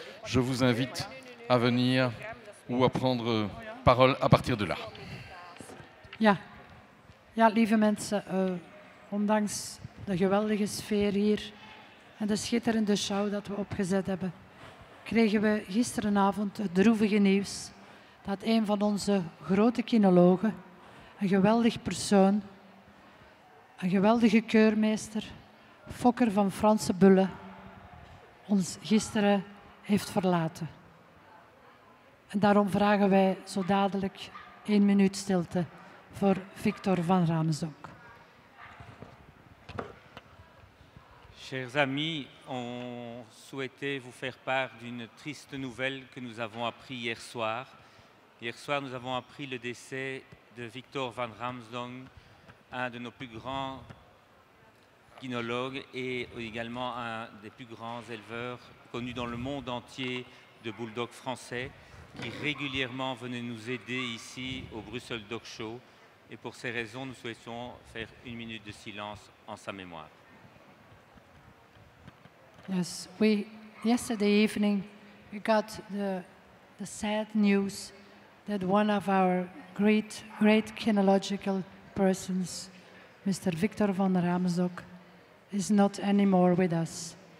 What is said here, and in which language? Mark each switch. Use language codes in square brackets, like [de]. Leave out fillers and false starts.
[fr] Je vous invite à venir ou à prendre parole à partir de là. [nl] Ja, ja lieve mensen, ondanks de geweldige sfeer hier en de schitterende show dat we opgezet hebben, kregen we gisterenavond het droevige nieuws dat een van onze grote kinologen, een geweldig persoon, een geweldige keurmeester, Fokker van Franse Bulle, ons gisteren heeft verlaten. En daarom vragen wij zo dadelijk 1 minuut stilte voor Victor van Raamsdonk. [fr] Chers amis, on souhaitait vous faire part d'une triste nouvelle que nous avons appris hier soir. Hier soir, nous avons appris le décès de Victor van Raamsdonk, un de nos plus grands kinologues et également un des plus grands éleveurs connus dans le monde entier de bulldogs français, qui régulièrement venait nous aider ici au Brussels Dog Show. Et pour ces raisons, nous souhaitons faire 1 minute de silence en sa mémoire. [en] Yes, yesterday evening we got the sad news that one of our great, great kinological persons, Mr. Victor van Raamsdonk, is not anymore with us.